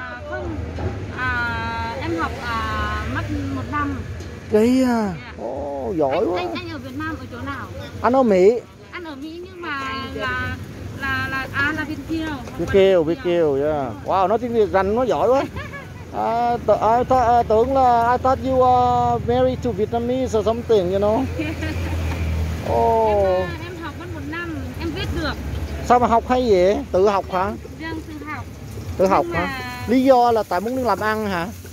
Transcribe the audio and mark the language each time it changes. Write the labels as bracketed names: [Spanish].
[Vietnamese] Không. Em học mất một năm. Cái à? Ồ, giỏi quá. Anh ở Việt Nam ở chỗ nào? Anh ở Mỹ. Anh ở Mỹ nhưng mà là Việt Kiều. Việt Kiều yeah. Wow, nói tiếng Việt rành nó giỏi quá. [English] I thought you are married to Vietnamese or something, you know. Oh. [Vietnamese] Em học mất một năm, em viết được. Sao mà học hay vậy? Tự học hả? Vâng, tự học. Tự học hả? Lý do là tại muốn đi làm ăn hả?